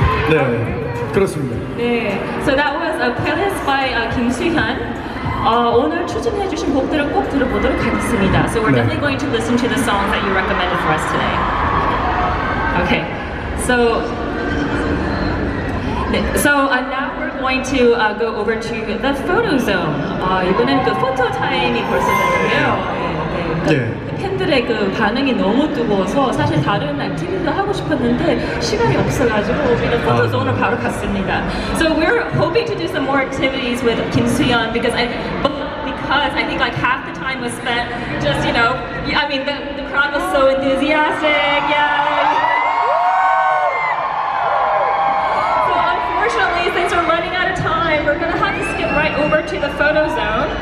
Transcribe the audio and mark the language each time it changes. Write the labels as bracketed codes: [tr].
[ko] 네, 그렇습니다. [en] 네, so that was a playlist by Kim Soo-hyun. [ko] 오늘 추천해 주신 곡들을 꼭 들어보도록 하겠습니다. [en] So we're 네. definitely going to listen to the song that you recommended for us today. Okay, so 네. so now we're going to go over to the photo zone. [ko] 이번엔 그 포토 타임이 벌써 됐는데요. 네. 팬들의 그 반응이 너무 뜨거워서 사실 다른 액티비티도 하고 싶었는데 시간이 없어가지고 우리는 포토존으로 바로 갔습니다. [en] So we're hoping to do some more activities with Kim Soo-hyun because I think like half the time was spent just you know I mean the crowd was so enthusiastic. Yeah. So unfortunately since we're running out of time we're gonna have to skip right over to the photo zone.